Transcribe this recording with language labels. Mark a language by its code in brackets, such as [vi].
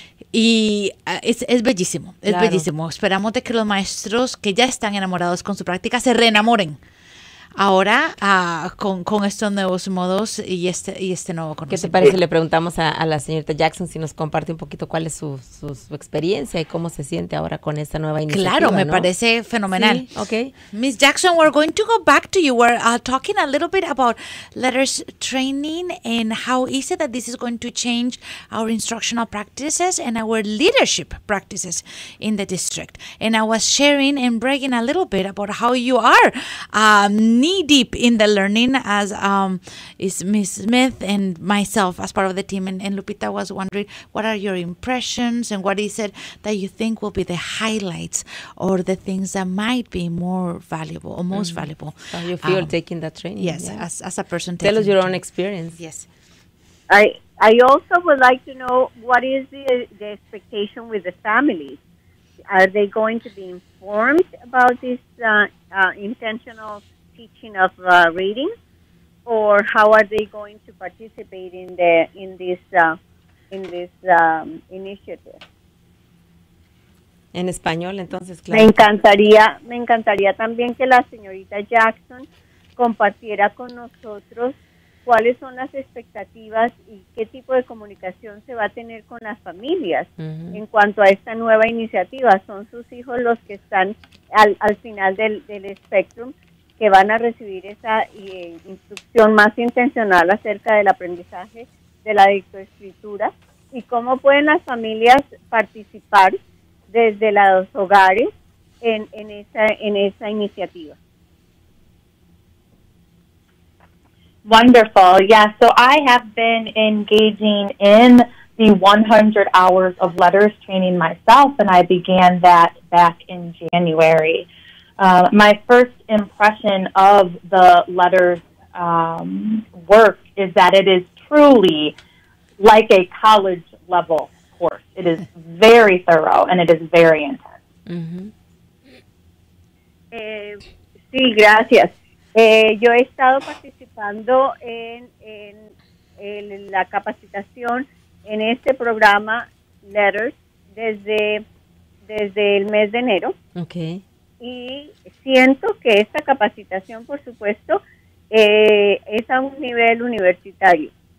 [es] Y es bellísimo, es bellísimo. Esperamos de que los maestros que ya están enamorados con su práctica se reenamoren ahora con estos nuevos modos y este nuevo conocimiento. ¿Qué te parece? Le preguntamos a la señorita Jackson si nos comparte un poquito cuál es su experiencia y cómo se siente ahora con esta nueva iniciativa. Claro, me ¿no? parece fenomenal. Sí, okay. [en] Miss Jackson, we're going to go back to you. We're talking a little bit about letters training and how is it that this is going to change our instructional practices and our leadership practices in the district. And I was sharing and bragging a little bit about how you are knee-deep in the learning as is Ms. Smith and myself as part of the team. And Lupita was wondering, what are your impressions and what is it that you think will be the highlights or the things that might be more valuable or most valuable? How you feel taking that training? Yes, yeah. as a person. Tell us your own experience. Yes. I also would like to know, what is the expectation with the families? Are they going to be informed about this intentional teaching of reading, or how are they going to participate in this initiative? [es] En español, entonces, claro. Me encantaría también que la señorita Jackson compartiera con nosotros cuáles son las expectativas y qué tipo de comunicación se va a tener con las familias en cuanto a esta nueva iniciativa. Son sus hijos los que están al final del espectrum, que van a recibir esa instrucción más intencional acerca del aprendizaje de la lectoescritura, y cómo pueden las familias participar desde los hogares en esa iniciativa. [en] Wonderful. Yeah, so I have been engaging in the 100 hours of letters training myself, and I began that back in January. My first impression of the letters work is that it is truly like a college level course. It is very thorough and it is very intense. Mm-hmm. [es] Sí, gracias. Yo he estado participando en la capacitación en este programa Letters desde el mes de enero. [en] Okay. [es] Y siento que esta capacitación, por supuesto, es a un nivel universitario.